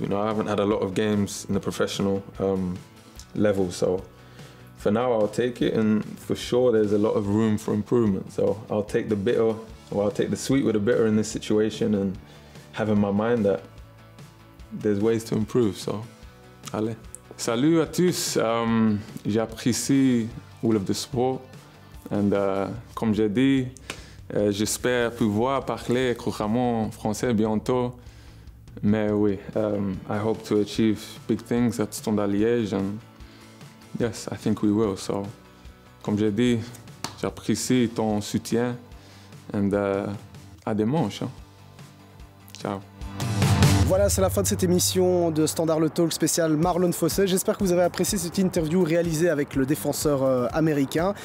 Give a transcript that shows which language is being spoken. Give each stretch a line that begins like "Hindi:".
English: You know, I haven't had a lot of games in the professional level, so for now I'll take it, and for sure there's a lot of room for improvement. So I'll take the bitter, or I'll take the sweet with the bitter in this situation, and have in my mind that there's ways to improve.
French: So, allez. Salut à tous. J'apprécie
English: all of the support, and
French: comme j'ai dit, j'espère pouvoir parler couramment français bientôt. Mais oui,
English: I hope to achieve big things at Standard Liège, and yes, I think we will.
French: So, comme j'ai dit, j'apprécie ton soutien, and à dimanche. Hein. Ciao. Voilà, c'est la fin de cette émission de Standard Le Talk spécial Marlon Fossey. J'espère que vous avez apprécié cette interview réalisée avec le défenseur américain.